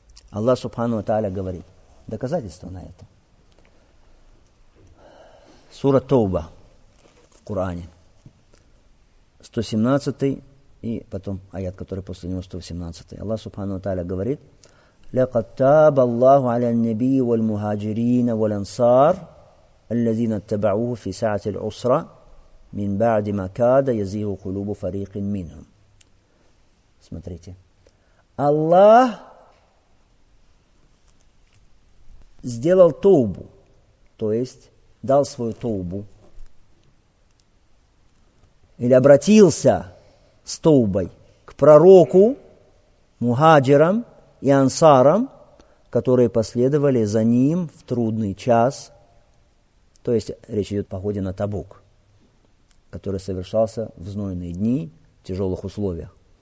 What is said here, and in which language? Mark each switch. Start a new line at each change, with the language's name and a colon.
Russian: Аллах Субхану ва Тааля говорит. Доказательство на это. Сура Тауба в Коране. 117-й и потом аят, который после него 118-й. Аллах Субхану ва Тааля говорит.
Arabic: لقد تاب الله على النبي والمهاجرين والأنصار الذين اتبعوه في ساعة العسرة من بعد ما كاد يزيغ قلوب فريق منهم.
Russian: Смотрите. Аллах сделал тоубу, то есть дал свою тоубу, или обратился с тоубой к пророку, мухаджирам и ансарам, которые последовали за ним в трудный час, то есть речь идет о походе на Табук, который совершался в знойные дни, в тяжелых условиях,